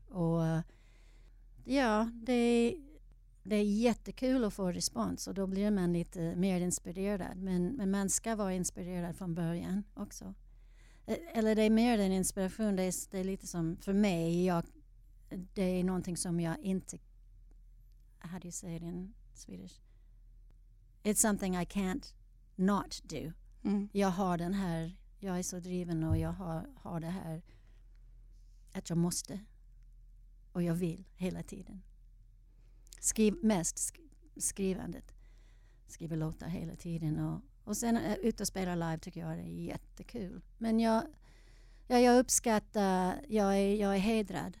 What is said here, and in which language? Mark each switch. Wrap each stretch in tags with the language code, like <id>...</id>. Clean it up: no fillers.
<sv>Och ja, det är jättekul att få respons och då blir man lite mer inspirerad. Men man ska vara inspirerad från början också. Eller det är mer den inspiration. Det är lite som för mig. Det är någonting som jag inte...</sv> <en>How do you say it in Swedish? It's something I can't not do.</en> <sv>Mm. Jag har den här... Jag är så driven och jag har det här att jag måste. Och jag vill hela tiden. Skrivandet. Skriver låtar hela tiden. Och sen ut och spela live tycker jag är jättekul. Men jag uppskattar, jag är hedrad.</sv>